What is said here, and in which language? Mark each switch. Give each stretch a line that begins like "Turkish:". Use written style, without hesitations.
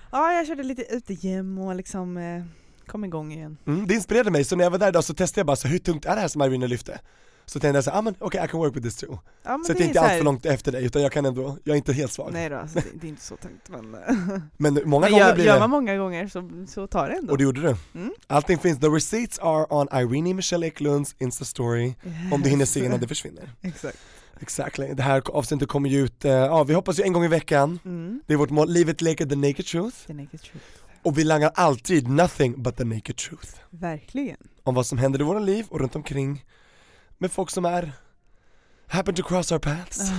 Swedish: Ja, jag körde lite utegym och liksom kom igång igen. Mm, det inspirerade mig. Så när jag var där idag så testade jag bara, så hur tungt är det här som Irina lyfte? Så tänkte jag så, ah, men okej,
English: okay, I can work with this too.
Swedish: Ja, men så det är inte allt för långt efter dig, utan jag kan ändå, jag är inte helt svag. Nej då, alltså, det är inte så tungt. Men många gånger blir det. Gör man många gånger så tar det ändå. Och det gjorde du. Mm. Allting finns,
English: the receipts are on
Swedish: Irene Michelle Eklunds Instastory. Yes. Om du hinner se innan det försvinner. Exakt.
English: Exactly.
Swedish: Det här avsnittet kommer ju ut, vi hoppas ju en gång i veckan. Mm. Det är vårt mål, livet leker the naked truth.
English: The naked truth.
Swedish: Och vi langar alltid
English: nothing but the naked truth.
Swedish: Verkligen. Om vad som händer i våra liv och runt omkring. Med folk som är
English: happen to cross our paths.